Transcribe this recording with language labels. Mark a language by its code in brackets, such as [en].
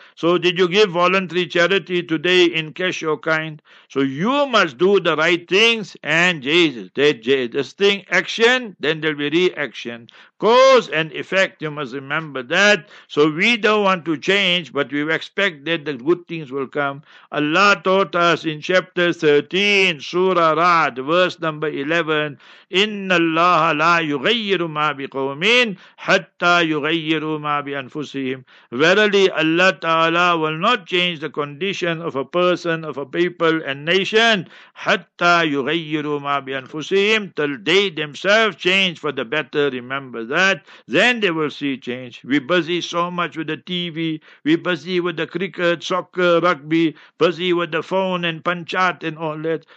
[en] So did you give voluntary charity today in cash or kind? So you must do the right things, and Jesus, this thing, action, then there'll be reaction. Cause and effect, you must remember that. So we don't want to change, but we expect that the good things will come. Allah taught us in chapter 13, Surah Ra'd, verse number 11, [ar] إِنَّ اللَّهَ لَا يُغَيِّرُ مَا بِقَوْمٍ حَتَّى يُغَيِّرُ مَا بِأَنفُسِهِمْ. [en] Verily, Allah Ta'ala will not change the condition of a person, of a people and nation, [ar] حَتَّى يُغَيِّرُ مَا بِأَنفُسِهِمْ, [en] till they themselves change for the better, remember. That, then they will see change. We busy so much with the TV, we busy with the cricket, soccer, rugby, busy with the phone and panchat and all that.